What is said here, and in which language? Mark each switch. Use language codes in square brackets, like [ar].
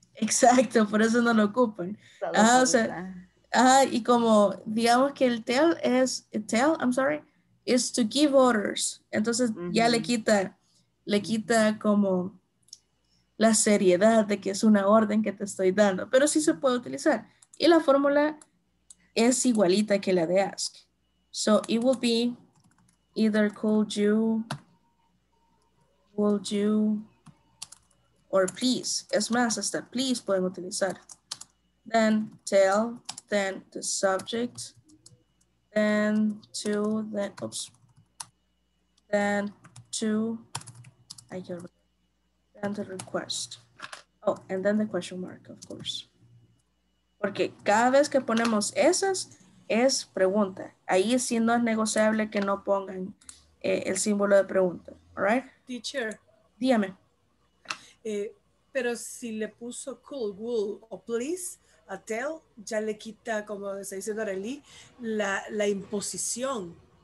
[es] Exacto, por eso no lo ocupan. Ajá, o sea, ajá, y como digamos que el tell es, tell, [en] I'm sorry, is to give orders. [es] Entonces mm-hmm. ya le quita como la seriedad de que es una orden que te estoy dando, pero sí se puede utilizar. Y la fórmula es igualita que la de ask. [en] So it will be either could you, would you, or please. [es] Es más, hasta please pueden utilizar. [en] Then tell, then the subject, then to, then, oops, then to, I can, then the request. Oh, and then the question mark, of course. [es] Porque cada vez que ponemos esas, es pregunta. Ahí sí no es negociable que no pongan el símbolo de pregunta. [en] All right? Teacher. [es] Dígame. Pero si le puso cool, will, o please, a tell, ya le quita, como se dice Doralí, la imposición.